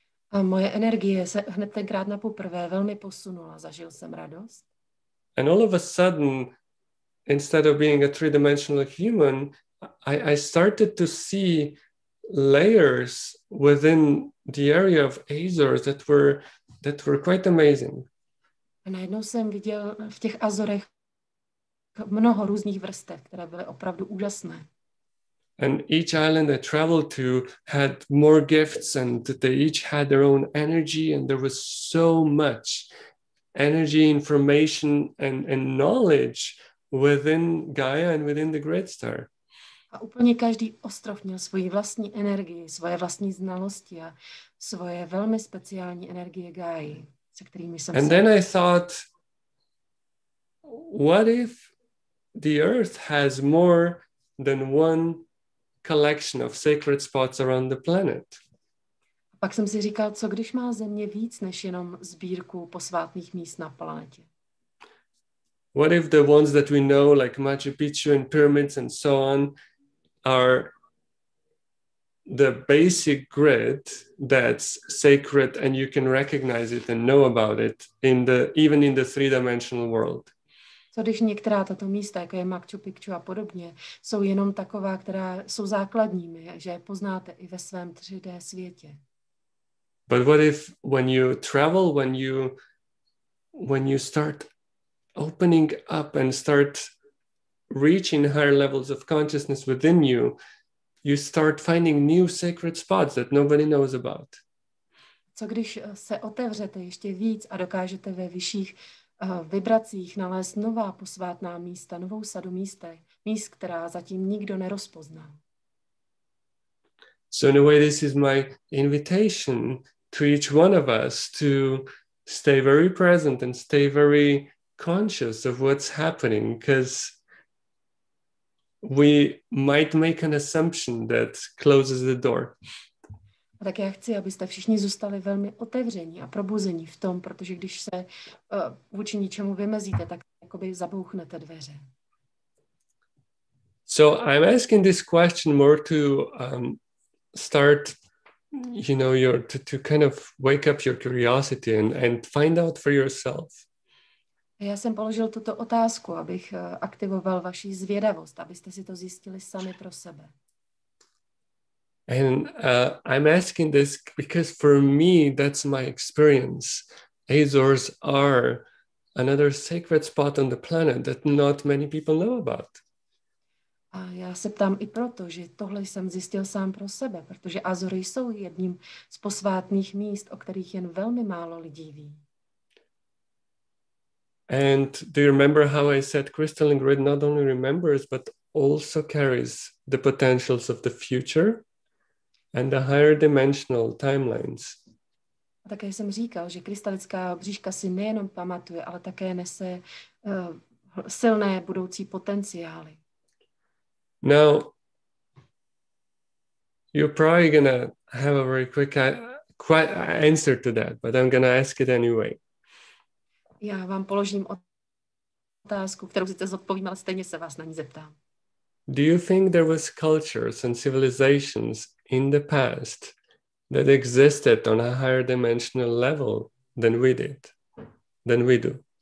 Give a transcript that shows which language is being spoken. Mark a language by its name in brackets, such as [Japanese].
[Czech] A moje energie se hned tenkrát na poprvé velmi posunula, zažil jsem radost. [English] And all of a sudden, instead of being a three-dimensional human, I started to see layers within the area of Azores that were quite amazing. [Czech] A najednou jsem viděl v těch Azorech mnoho různých vrstev, které byly opravdu úžasné. [English] And each island I traveled to had more gifts and they each had their own energy and there was so much energy, information and knowledge within Gaia and within the Great Star. [Czech] A úplně každý ostrov měl svoji vlastní energii, svoje vlastní znalosti a svoje velmi speciální energie Gaia, se kterými jsem [English] And then I thought, what if the Earth has more than one collection of sacred spots around the planet. [Czech] Pak jsem si říkal, co když má Země víc než jenom sbírku posvátných míst na planetě? [English] What if the ones that we know, like Machu Picchu and pyramids and so on, are the basic grid that's sacred and you can recognize it and know about it even in the three-dimensional world? [Czech] Co když některá tato místa, jako je Machu Picchu a podobně, jsou jenom taková, která jsou základními, že je poznáte i ve svém 3D světě. [English] But what if when you travel, when you start opening up and start reaching higher levels of consciousness within you, you start finding new sacred spots that nobody knows about? [Czech] Co když se otevřete ještě víc a dokážete ve vyšších vibracích nalézt nová posvátná místa, novou sadu míst, která zatím nikdo nerozpozná. [English] So in a way, this is my invitation to each one of us to stay very present and stay very conscious of what's happening, because we might make an assumption that closes the door. [Czech] A tak já chci, abyste všichni zůstali velmi otevření a probuzení v tom, protože když se vůči ničemu vymezíte, tak jakoby zabouchnete dveře. [English] So I'm asking this question more to start, you know, your to kind of wake up your curiosity and find out for yourself. [Czech] Já jsem položil tuto otázku, abych aktivoval vaši zvědavost, abyste si to zjistili sami pro sebe. [English] And I'm asking this because for me that's my experience. Azores are another sacred spot on the planet that not many people know about. [Czech] A já se ptám i proto, že tohle jsem zjistil sám pro sebe, protože Azory jsou jedním z posvátných míst, o kterých jen velmi málo lidí ví. [English] And do you remember how I said crystalline grid not only remembers but also carries the potentials of the future and the higher dimensional timelines? [Czech] A také jsem říkal, že krystalická obřížka si nejenom pamatuje, ale také nese silné budoucí potenciály. [English] Now, you're probably gonna have a very quick answer to that, but I'm gonna ask it anyway. [Czech] Já vám položím otázku, kterou si teď odpovíme, ale stejně se vás na ní zeptám. [English] Do you think there was cultures and civilizations in the past that existed on a higher dimensional level than we did, than we do?